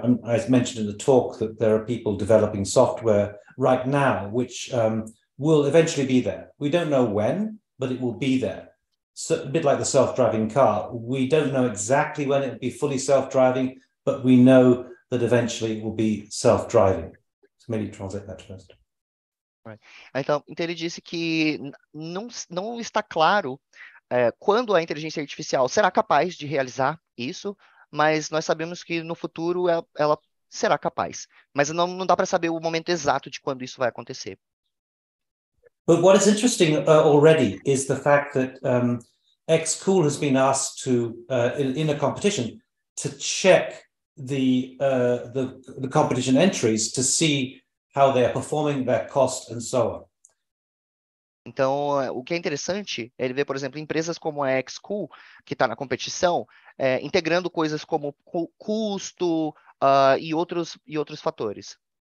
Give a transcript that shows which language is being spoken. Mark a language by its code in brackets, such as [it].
[en] And I mentioned in the talk that there are people developing software right now, which will eventually be there. We don't know when, but it will be there. So, a bit like the self-driving car, we don't know exactly when it will be fully self-driving, but we know that eventually it will be self-driving. So maybe translate that first. [pt] Então, então ele disse que não está claro quando a inteligência artificial será capaz de realizar isso, mas nós sabemos que no futuro ela será capaz. Mas não dá para saber o momento exato de quando isso vai acontecer. [en] But what is interesting already is the fact that X-School has been asked to in a competition to check the competition entries to see how they are performing, their cost, and so on. [pt] Então, o que é interessante é ele ver, por exemplo, empresas como a X-School, que está na competição, integrando coisas como custo, e outros fatores.